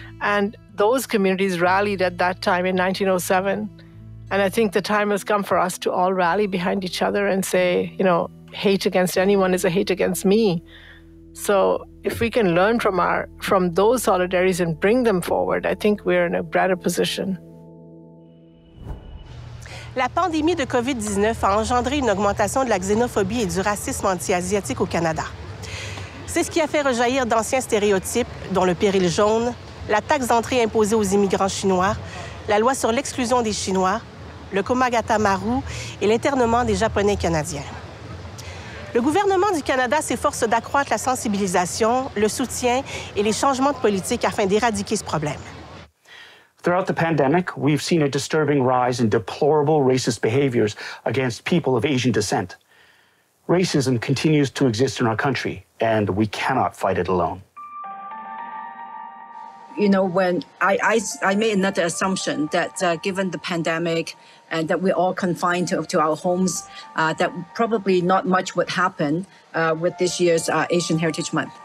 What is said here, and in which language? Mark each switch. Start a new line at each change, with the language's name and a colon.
English: And those communities rallied at that time in 1907. And I think the time has come for us to all rally behind each other and say, you know, hate against anyone is a hate against me. So if we can learn from those solidarities and bring them forward, I think we're in a better position.
French: La pandémie de COVID-19 a engendré une augmentation de la xénophobie et du racisme anti-asiatique au Canada. C'est ce qui a fait rejaillir d'anciens stéréotypes, dont le péril jaune, la taxe d'entrée imposée aux immigrants chinois, la loi sur l'exclusion des Chinois, le Komagatamaru et l'internement des Japonais canadiens. Le gouvernement du Canada s'efforce d'accroître la sensibilisation, le soutien et les changements de politique afin d'éradiquer ce problème.
English: Throughout the pandemic, we've seen a disturbing rise in deplorable racist behaviors against people of Asian descent. Racism continues to exist in our country, and we cannot fight it alone. You know, when I made another assumption that given the pandemic and that we're all confined to our homes, that probably not much would happen with this year's Asian Heritage Month.